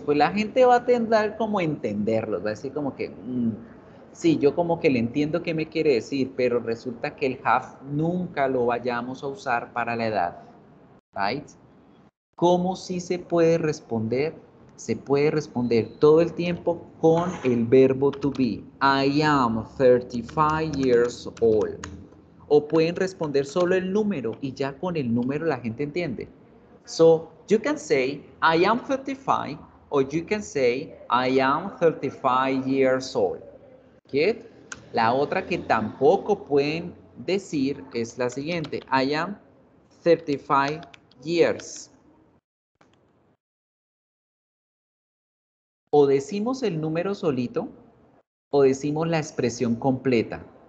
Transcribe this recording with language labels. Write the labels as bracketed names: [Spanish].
[Spanish] Pues la gente va a tender como a entenderlo, va a decir como que, sí, yo como que le entiendo qué me quiere decir, pero resulta que el have nunca lo vayamos a usar para la edad, ¿right? ¿Cómo sí se puede responder? Se puede responder todo el tiempo con el verbo to be. [English] I am 35 years old. [Spanish] O pueden responder solo el número y ya con el número la gente entiende. [English] So, you can say, I am 35, or you can say, I am 35 years old. ¿Okay? [Spanish] La otra que tampoco pueden decir es la siguiente. [English] I am 35 years. [Spanish] O decimos el número solito, o decimos la expresión completa.